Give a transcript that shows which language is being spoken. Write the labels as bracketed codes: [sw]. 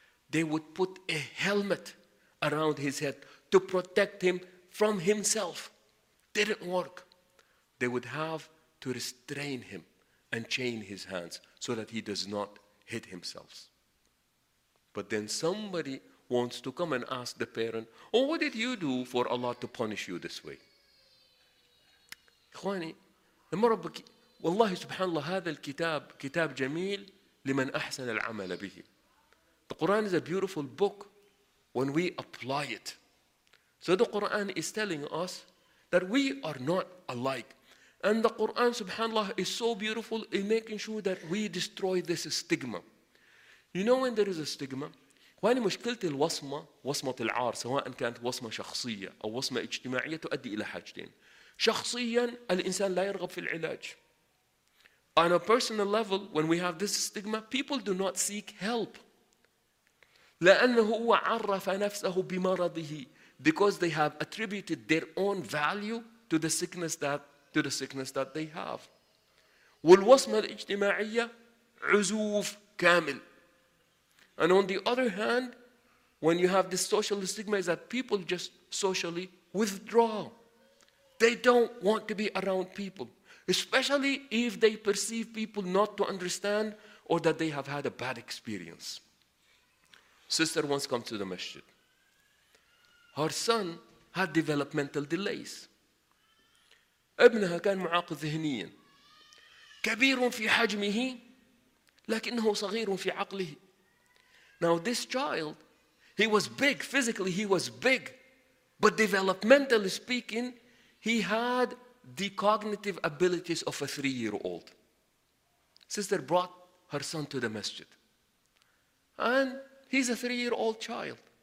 [en] They would put a helmet around his head to protect him from himself. Didn't work. They would have to restrain him and chain his hands so that he does not hit himself. But then somebody wants to come and ask the parent, oh, what did you do for Allah to punish you this way? [ar] إخواني, والله سبحان الله هذا الكتاب كتاب جميل لمن أحسن العمل به. [en] The Quran is a beautiful book when we apply it. So the Quran is telling us that we are not alike. And the Quran سبحان الله is so beautiful in making sure that we destroy this stigma. You know when there is a stigma? [ar] وين مشكلة الوصمة, وصمة العار, سواء كانت وصمة شخصية أو وصمة اجتماعية تؤدي إلى حاجتين. شخصيا الإنسان لا يرغب في العلاج. [en] On a personal level, when we have this stigma, people do not seek help. [ar] لأنه هو عرف نفسه بمرضه, [en] because they have attributed their own value to the sickness that they have. [ar] والوصمة الاجتماعية عزوف كامل. [en] And on the other hand, when you have this social stigma, is that people just socially withdraw. They don't want to be around people, especially if they perceive people not to understand or that they have had a bad experience. Sister once comes to the masjid. Her son had developmental delays. [ar] ابنها كان معاق ذهنيا. كبير في حجمه لكنه صغير في عقله. [en] Now this child, he was big, physically he was big, but developmentally speaking, he had the cognitive abilities of a three-year-old. Sister brought her son to the masjid. And he's a three-year-old child.